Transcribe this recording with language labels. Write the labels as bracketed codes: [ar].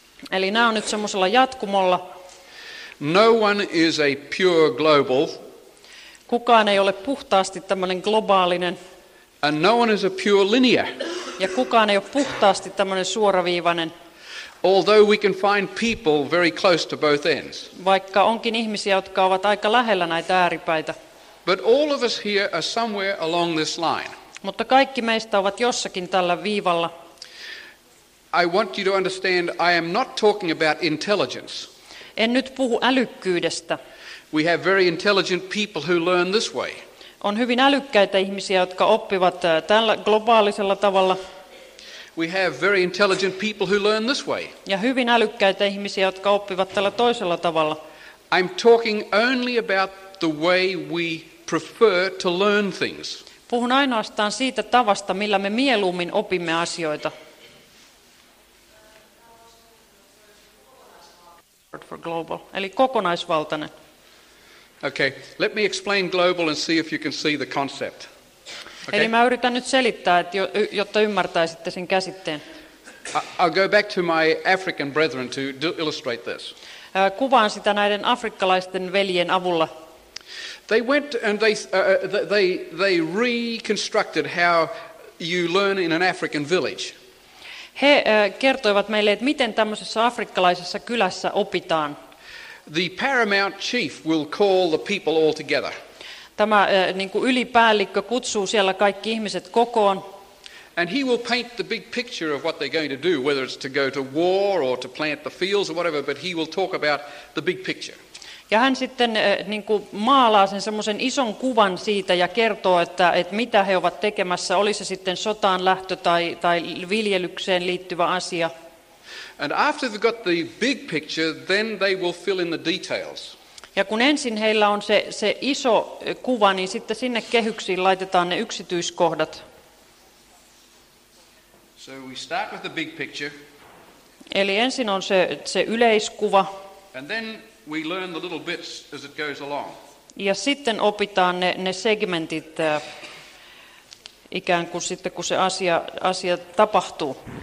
[fi] Eli nämä on nyt semmoisella jatkumolla. [en] No one is a pure global. [fi] Kukaan ei ole puhtaasti tämmöinen globaalinen. [en] And no one is a pure linear. [fi] Ja kukaan ei ole puhtaasti tämmöinen suoraviivainen. [en] Although we can find people very close to both ends. [fi] Vaikka onkin ihmisiä, jotka ovat aika lähellä näitä ääripäitä. [en] But all of us here are somewhere along this line. [fi] Mutta kaikki meistä ovat jossakin tällä viivalla. [en] I want you to understand I am not talking about intelligence. [fi] En nyt puhu älykkyydestä. [en] We have very intelligent people who learn this way. [fi] On hyvin älykkäitä ihmisiä, jotka oppivat tällä globaalisella tavalla. [en] We have very intelligent people who learn this way. [fi] Ja hyvin älykkäitä ihmisiä, jotka oppivat tällä toisella tavalla. [en] I'm talking only about the way we prefer to learn things. [fi] Puhun ainoastaan siitä tavasta, millä me mieluummin opimme asioita. [en] For global. [fi] Eli kokonaisvaltainen. [en] Okay, let me explain global and see if you can see the concept. Okay. [fi] Eli mä yritän nyt selittää, että jotta ymmärtäisitte sen käsitteen. [en] I'll go back to my African brethren to illustrate this. [fi] Kuvaan sitä näiden afrikkalaisten veljen avulla. [en] They went and they reconstructed how you learn in an African village. [fi] He kertoivat meille, että miten tämmöisessä afrikkalaisessa kylässä opitaan. [en] The paramount chief will call the people all together. [fi] Tämä niin kuin ylipäällikkö kutsuu siellä kaikki ihmiset kokoon. [en] And he will paint the big picture of what they're going to do, whether it's to go to war or to plant the fields or whatever, but he will talk about the big picture. [fi] Ja hän sitten niin kuin maalaa sen semmoisen ison kuvan siitä ja kertoo, että mitä he ovat tekemässä, oli se sitten sotaan lähtö tai viljelykseen liittyvä asia. [en] And after they've got the big picture, then they will fill in the details. [fi] Ja kun ensin heillä on se iso kuva, niin sitten sinne kehyksiin laitetaan ne yksityiskohdat. [en] So we start with the big picture. [fi] Eli ensin on se yleiskuva. [en] And then we learn the little bits as it goes along. [fi] Ja sitten opitaan ne segmentit ikään kuin sitten kun se asia tapahtuu.